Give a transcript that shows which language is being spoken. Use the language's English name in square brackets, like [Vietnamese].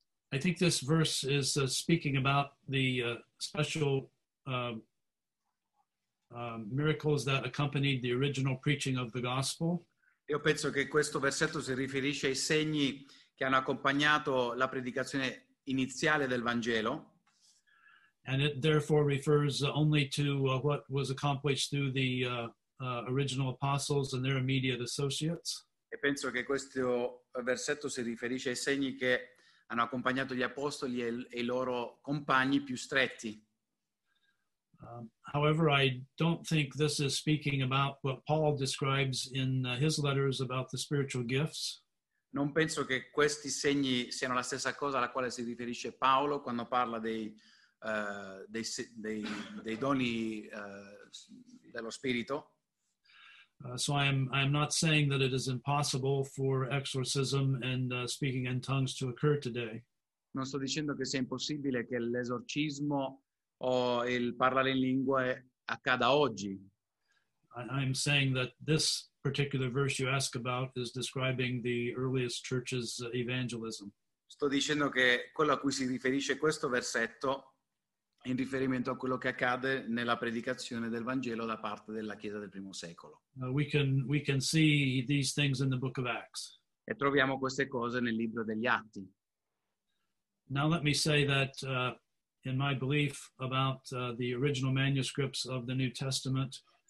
[English] I think this verse is speaking about the special miracles that accompanied the original preaching of the gospel. [Italian] Io penso che questo versetto si riferisce ai segni che hanno accompagnato la predicazione iniziale del Vangelo. [English] And it therefore refers only to what was accomplished through the original apostles and their immediate associates. [Italian] E penso che questo versetto si riferisce ai segni che hanno accompagnato gli apostoli e i loro compagni più stretti. [English] However, I don't think this is speaking about what Paul describes in his letters about the spiritual gifts. [Italian] Non penso che questi segni siano la stessa cosa alla quale si riferisce Paolo quando parla dei doni dello spirito. [English] So I'm not saying that it is impossible for exorcism and speaking in tongues to occur today. [Italian] Non sto dicendo che sia impossibile che l'esorcismo o il parlare in lingue accada oggi. [English] I'm saying that this particular verse you ask about is describing the earliest church's evangelism. [Italian] Sto dicendo che quello a cui si riferisce questo versetto in riferimento a quello che accade nella predicazione del Vangelo da parte della Chiesa del primo secolo. [English] We can see these things in the book of Acts. [Italian] E troviamo queste cose nel libro degli Atti. [English] Now let me say that in my belief about the original manuscripts of the New Testament.